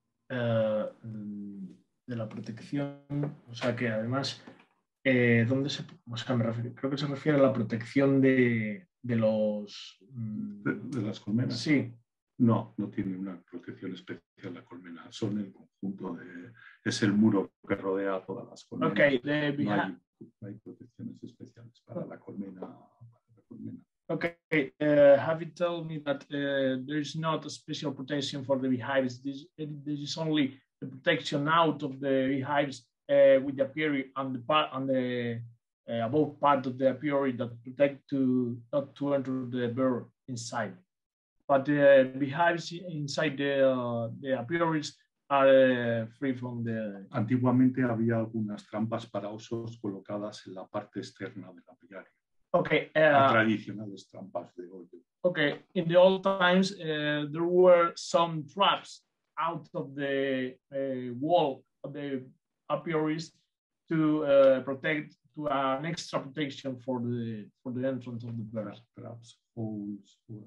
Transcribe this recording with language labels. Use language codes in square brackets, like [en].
[es] De la protección, o sea que además, ¿dónde se, o sea, me refiero, creo que se refiere a la protección de los... De las colmenas. Sí. No, no tiene una protección especial la colmena. Son el conjunto de... Es el muro que rodea todas las colmenas. Ok, de no hay protecciones especiales para la colmena. [en] Ok, have you told me that there is not a special protection for the beehives? This is only the protection out of the beehives with the apiary on the above part of the apiary that protect to not to enter the bear inside. But the beehives inside the apiaries are free from the... [es] Antiguamente había algunas trampas para osos colocadas en la parte externa de la apiaria. [en] Okay. [es] Tradicionales trampas de hoyo. [en] Okay. In the old times, there were some traps out of the wall of the apiaries to protect, to an extra protection for the entrance of the bear. Traps. Holes,